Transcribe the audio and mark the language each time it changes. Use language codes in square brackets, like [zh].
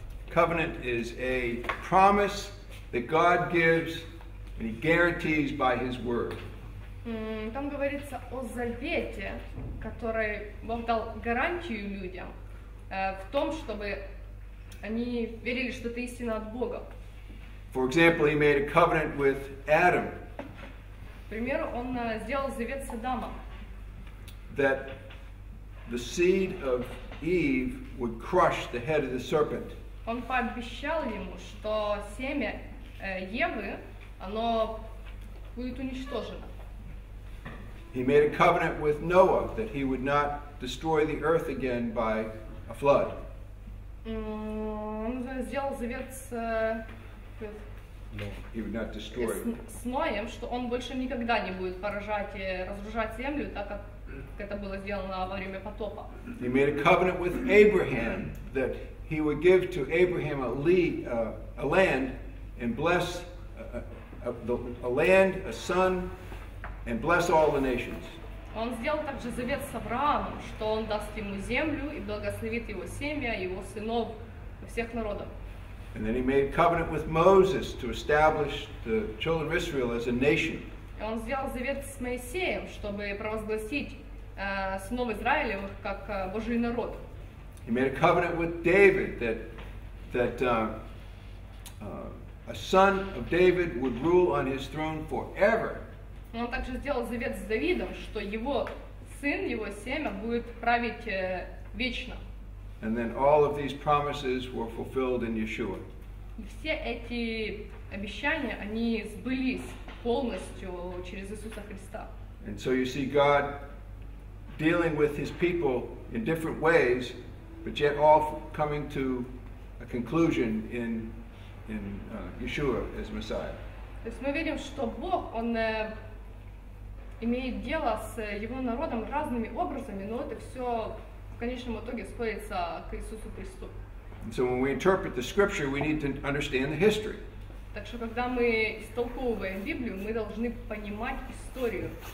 [en] Covenant is a promise that God gives and he guarantees by his word. [ru] Там говорится о завете, который Бог дал гарантию людям в том, чтобы они верили, что это истина от Бога. [en] For example, he made a covenant with Adam. [ru] К примеру, он сделал завет с Адамом. [en] That the seed of Eve would crush the head of the serpent. [ru] Он пообещал ему, что семя Евы, оно будет уничтожено. [en] He made a covenant with Noah that he would not destroy the earth again by a flood. [ru] Он сделал завет с [en] He would not destroy [ru] с Ноем, что он больше никогда не будет поражать и разрушать землю, так как это было сделано во время потопа. [en] He made a covenant with Abraham that he would give to Abraham a land and bless a land, a son, and bless all the nations. [ru] Он сделал также завет с Авраамом, что он даст ему землю и благословит его семя, его сынов и всех народов. [en] And then he made a covenant with Moses to establish the children of Israel as a nation. [ru] И он сделал завет с Моисеем, чтобы провозгласить сынов Израилевых как Божий народ. [en] He made a covenant with David that a son of David would rule on his throne forever. [ru] Он также сделал завет с Давидом, что его сын, его семя будет править вечно. [en] And then all of these promises were fulfilled in Yeshua. [ru] И все эти обещания, они сбылись полностью через Иисуса Христа. [en] And so you see God dealing with his people in different ways, but yet all coming to a conclusion in Yeshua as Messiah. [ru] То есть мы видим, что Бог, он имеет дело с его народом разными образами, но это все в конечном итоге сводится к Иисусу Христу. [en] And so when we interpret the scripture, we need to understand the history. [ru] Так что когда мы истолковываем Библию, мы должны понимать историю.